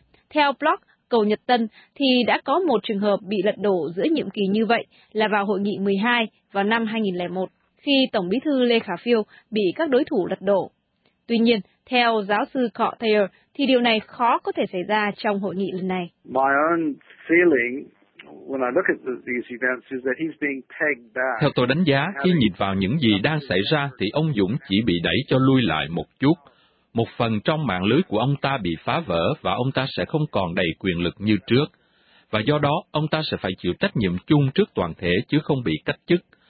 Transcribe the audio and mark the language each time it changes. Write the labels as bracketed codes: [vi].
[vi] Theo blog Cầu Nhật Tân thì đã có một trường hợp bị lật đổ giữa nhiệm kỳ như vậy là vào hội nghị 12 vào năm 2001, khi Tổng Bí thư Lê Khả Phiêu bị các đối thủ lật đổ. Tuy nhiên, theo giáo sư Cọ Thayer thì điều này khó có thể xảy ra trong hội nghị lần này. [en] My own feeling when I look at these events is that he's being pegged back. [vi] Theo tôi đánh giá, khi nhìn vào những gì đang xảy ra thì ông Dũng chỉ bị đẩy cho lui lại một chút. Một phần trong mạng lưới của ông ta bị phá vỡ và ông ta sẽ không còn đầy quyền lực như trước. Và do đó, ông ta sẽ phải chịu trách nhiệm chung trước toàn thể chứ không bị cách chức.